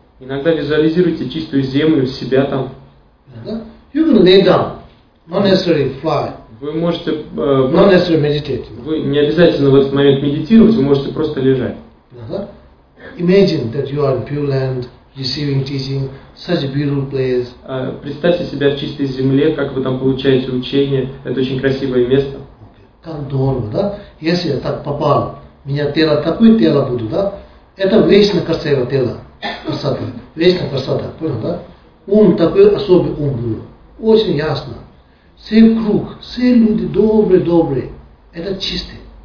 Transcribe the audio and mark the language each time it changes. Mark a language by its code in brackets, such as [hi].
[ru] Иногда визуализируйте чистую землю, себя там. [en] You can lay down, not necessarily fly. [ru] Вы можете [en] not necessarily meditate. [ru] Вы не обязательно в этот момент медитировать, вы можете просто лежать. [en] Imagine that you are in pure land, receiving teaching, such a beautiful place. [ru] Представьте себя в чистой земле, как вы там получаете учение. Это очень красивое место. Как здорово, да? Если я так попал. У меня тело, такое тело буду, да? Это вечно красивое тело, красота, вечно красота, понял, да? Ум, такой особый ум был, очень ясно. Все круг, все люди добрые, это чистые.